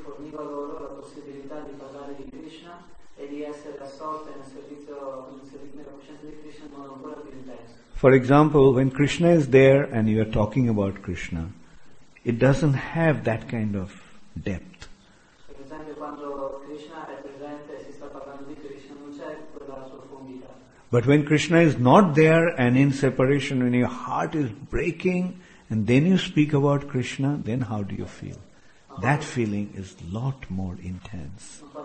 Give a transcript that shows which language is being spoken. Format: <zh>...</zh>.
<it>Loro la possibilità di parlare di Krishna e di essere assolta nel servizio della coscienza di Krishna in modo ancora più intenso.</it> <en>For example, when Krishna is there and you are talking about Krishna, it doesn't have that kind of depth.</en> <it>Per esempio, quando Krishna è presente e si sta parlando di Krishna, non c'è quella profondità.</it> <en>But when Krishna is not there and in separation, when your heart is breaking and then you speak about Krishna, then how do you feel? That feeling is a lot more intense.</en>